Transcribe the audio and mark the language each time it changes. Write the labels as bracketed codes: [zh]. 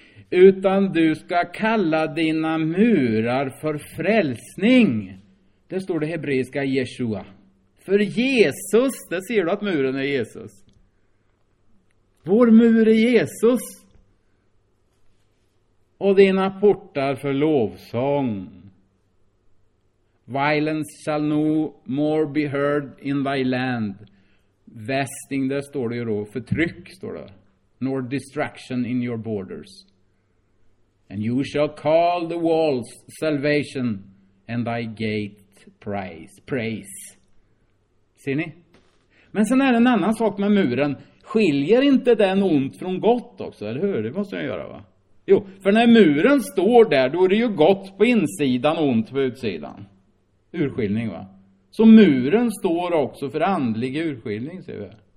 [sv] Utan du ska kalla dina murar för frälsning. Det står det hebreiska Yeshua. För Jesus, det ser du att muren är Jesus. Vår mur är Jesus. Och dina portar för lovsång. [en] Violence shall no more be heard in thy land. [sv] Vesting, där står det ju då. Förtryck står det. [en] Nor distraction in your borders. And you shall call the walls salvation and thy gate praise. [sv] Ser ni? Men sen är det en annan sak med muren. Skiljer inte den ont från gott också, eller hur? Det måste jag göra, va? Jo, för när muren står där, då är det ju gott på insidan och ont på utsidan. Urskiljning, va? Så muren står också för andlig urskiljning, ser vi.